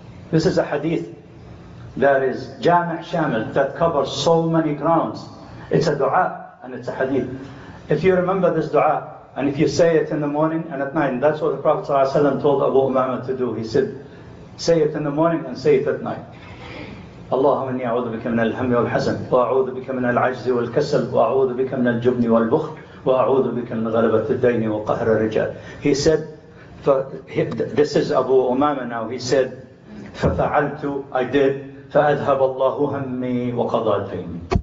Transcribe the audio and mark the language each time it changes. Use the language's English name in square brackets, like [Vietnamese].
[English] This is a hadith that is jami' shamil, that covers so many grounds. It's a dua and it's a hadith. If you remember this dua, and if you say it in the morning and at night, and that's what the Prophet ﷺ told Abu Umama to do. He said, say it in the morning and say it at night. [Arabic] اللهم إني أعوذ بك من الهم والحزن وأعوذ بك من العجز والكسل وأعوذ بك من الجبن والبخل وأعوذ بك من غلبة الدين وقهر الرجال. [English] He said, this is Abu Umama now. He said, [Arabic] ففعلت, [English] I did, [Arabic] فأذهب الله همي وقضى ديني.